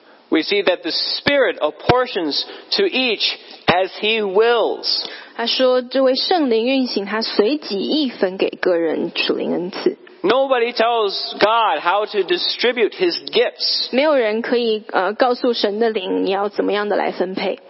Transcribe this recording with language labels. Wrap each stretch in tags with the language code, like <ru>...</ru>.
<en>We see that the Spirit apportions to each as He wills.</en> <zh>他说，这位圣灵运行，他随己一分给个人属灵恩赐。</zh> <en>Nobody tells God how to distribute His gifts.</en> <zh>没有人可以告诉神的灵你要怎么样的来分配。</zh>